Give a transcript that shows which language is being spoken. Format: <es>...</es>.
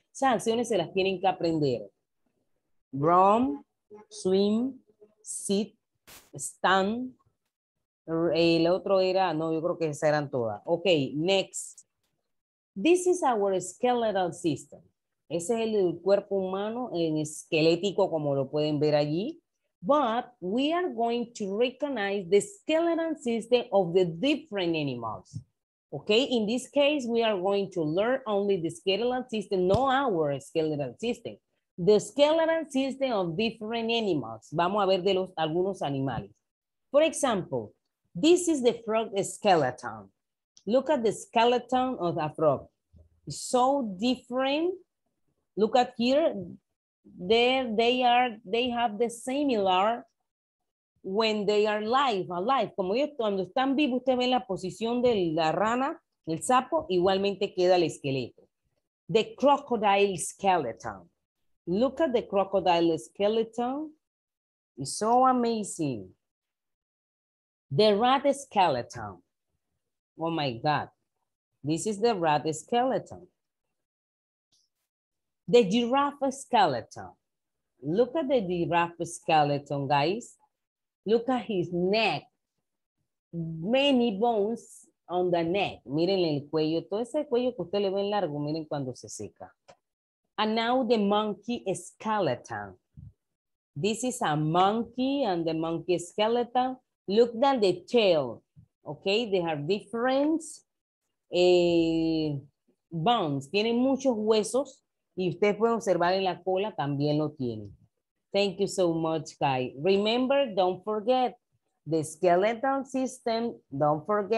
<es>Esas acciones se las tienen que aprender.</es> <en>Run, swim, sit, stand.</en> <es>El otro era, no, yo creo que esas eran todas.</es> <en>Ok, next. This is our skeletal system.</en> <es>Ese es el cuerpo humano, el esquelético, como lo pueden ver allí.</es> <en>But we are going to recognize the skeletal system of the different animals. Okay, in this case, we are going to learn only the skeletal system, not our skeletal system. The skeletal system of different animals.</en> <es>Vamos a ver de los algunos animales.</es> <en>For example, this is the frog skeleton. Look at the skeleton of a frog. So different. Look at here. There they are, they have the similar when they are alive.</en> <es>Como ellos cuando están vivos, usted ve la posición de la rana, el sapo, igualmente queda el esqueleto.</es> <en>The crocodile skeleton. Look at the crocodile skeleton. It's so amazing. The rat skeleton. Oh my God. This is the rat skeleton. The giraffe skeleton. Look at the giraffe skeleton, guys. Look at his neck. Many bones on the neck.</en> <es>Miren el cuello. Todo ese cuello que usted le ve largo, miren cuando se seca.</es> <en>And now the monkey skeleton. This is a monkey and the monkey skeleton. Look at the tail. Okay, they have different bones.</en> <es>Tienen muchos huesos. Y usted puede observar en la cola, también lo tiene.</es> <en>Thank you so much, guys. Remember, don't forget the skeletal system. Don't forget.</en>